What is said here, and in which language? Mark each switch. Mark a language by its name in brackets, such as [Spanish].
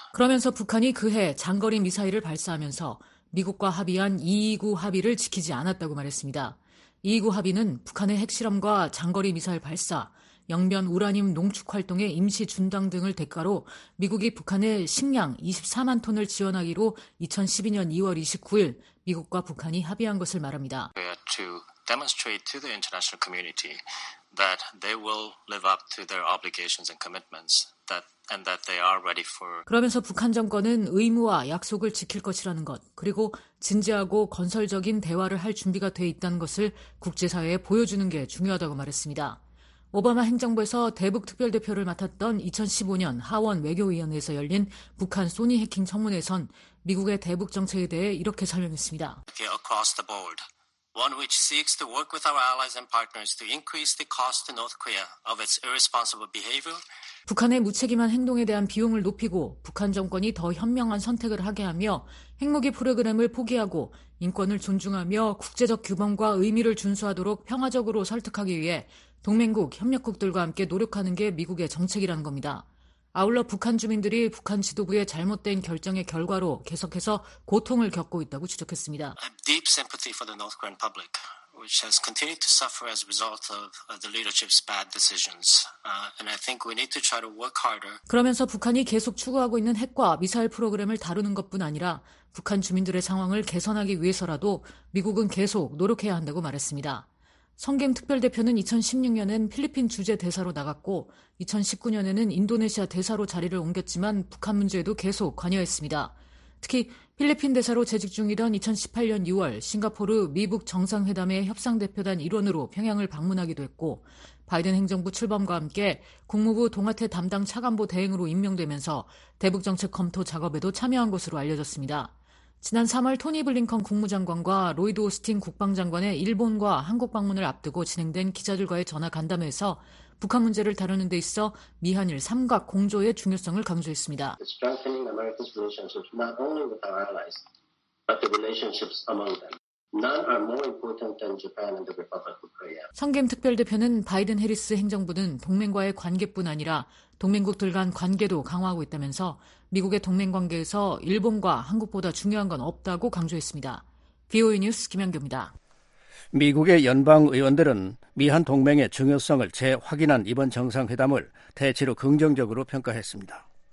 [Korean] 그러면서 북한이 그해 장거리 미사일을 발사하면서 미국과 합의한 229 합의를 지키지 않았다고 말했습니다. 229 합의는 북한의 핵실험과 장거리 미사일 발사, 영변 우라늄 농축 활동의 임시 중단 등을 대가로 미국이 북한에 식량 24만 톤을 지원하기로 2012년 2월 29일 미국과 북한이 합의한 것을 말합니다. [English] To demonstrate to the international community that they will live up to their obligations and commitments that and that they are ready for. [Korean] 그러면서 북한 정권은 의무와 약속을 지킬 것이라는 것, 그리고 진지하고 건설적인 대화를 할 준비가 돼 있다는 것을 국제사회에 보여주는 게 중요하다고 말했습니다. 오바마 행정부에서 대북특별대표를 맡았던 2015년 하원 외교위원회에서 열린 북한 소니 해킹 청문회에선 미국의 대북정책에 대해 이렇게 설명했습니다. [English] Across the board, one which seeks to work with our allies and partners to increase the cost to North Korea of its irresponsible behavior. [Korean] 북한의 무책임한 행동에 대한 비용을 높이고 북한 정권이 더 현명한 선택을 하게 하며 핵무기 프로그램을 포기하고 인권을 존중하며 국제적 규범과 의미를 준수하도록 평화적으로 설득하기 위해 동맹국, 협력국들과 함께 노력하는 게 미국의 정책이라는 겁니다. 아울러 북한 주민들이 북한 지도부의 잘못된 결정의 결과로 계속해서 고통을 겪고 있다고 지적했습니다. [English] I have deep sympathy for the North Korean public, which has continued to suffer as a result of the leadership's bad decisions. And I think we need to try to work harder. [Korean] 그러면서 북한이 계속 추구하고 있는 핵과 미사일 프로그램을 다루는 것뿐 아니라 북한 주민들의 상황을 개선하기 위해서라도 미국은 계속 노력해야 한다고 말했습니다. 성김 특별대표는 2016년엔 필리핀 주재 대사로 나갔고 2019년에는 인도네시아 대사로 자리를 옮겼지만 북한 문제에도 계속 관여했습니다. 특히 필리핀 대사로 재직 중이던 2018년 6월 싱가포르 미북 정상회담의 협상대표단 일원으로 평양을 방문하기도 했고 바이든 행정부 출범과 함께 국무부 동아태 담당 차관보 대행으로 임명되면서 대북정책 검토 작업에도 참여한 것으로 알려졌습니다. 지난 3월 토니 블링컨 국무장관과 로이드 오스틴 국방장관의 일본과 한국 방문을 앞두고 진행된 기자들과의 전화 간담회에서 북한 문제를 다루는 데 있어 미한일 삼각 공조의 중요성을 강조했습니다. [English] Strengthening America's relationships not only with our allies, but the relationships among them. None are more important than Japan and the Republic of Korea. [Korean] 성김 특별대표는 바이든 해리스 행정부는 동맹과의 관계뿐 아니라 동맹국들 간 관계도 강화하고 있다면서 미국의 동맹관계에서 일본과 한국보다 중요한 건 없다고 강조했습니다. VOA 뉴스 김현규입니다. 미국의 연방의원들은 미한 동맹의 중요성을 재확인한 이번 정상회담을 대체로 긍정적으로 평가했습니다.